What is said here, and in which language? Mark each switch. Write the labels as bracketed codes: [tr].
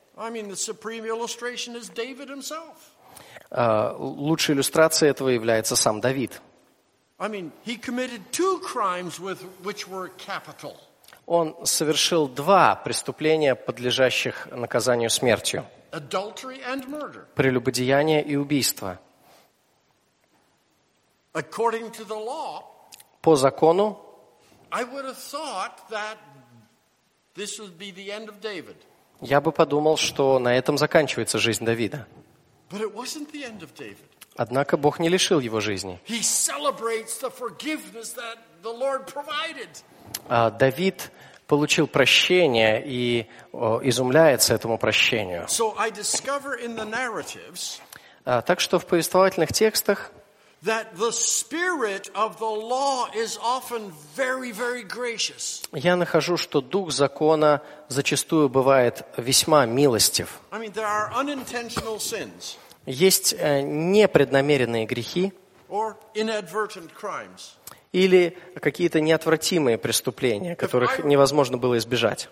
[en] I mean, the supreme illustration is David himself. [ru] Лучшей иллюстрацией этого является сам Давид. [en] I mean, he committed two crimes with which were capital. [ru] Он совершил два преступления, подлежащих наказанию смертью. [en] Adultery and murder. [ru] Прелюбодеяние и убийство. [en] According to the law, [ru] по закону, [en] I would have thought that this would be the end of David. [ru] Я бы подумал, что на этом заканчивается жизнь Давида. [en] But it wasn't the end of David. [ru] Однако Бог не лишил его жизни. [en] He celebrates the forgiveness that the Lord provided. [ru] Давид получил прощение и изумляется этому прощению. [en] So I discover in the narratives, [ru] так что в повествовательных текстах [en] that the spirit of the law is often very, very gracious. [ru] Я нахожу, что дух закона зачастую бывает весьма милостив. [en] I mean, there are unintentional sins. [ru] Есть непреднамеренные грехи. [en] Or inadvertent crimes. [ru] Или какие-то неотвратимые преступления, которых невозможно было избежать.